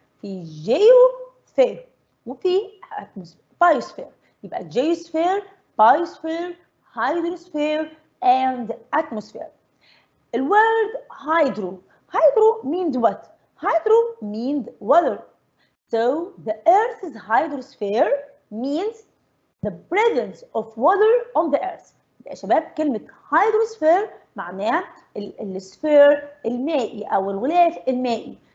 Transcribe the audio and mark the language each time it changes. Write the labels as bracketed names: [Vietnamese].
[Arabic] في جيوسفير وفي بايوسفير. يبقى جيوسفير، بايوسفير، هيدروسفير اند اتموسفير. الورد [English] Hydro, hydro means what؟ Hydro means water. So the earth's hydrosphere means the presence of water on the earth. [Arabic] يا شباب كلمة هيدروسفير معناها السفير المائي او الغلاف المائي.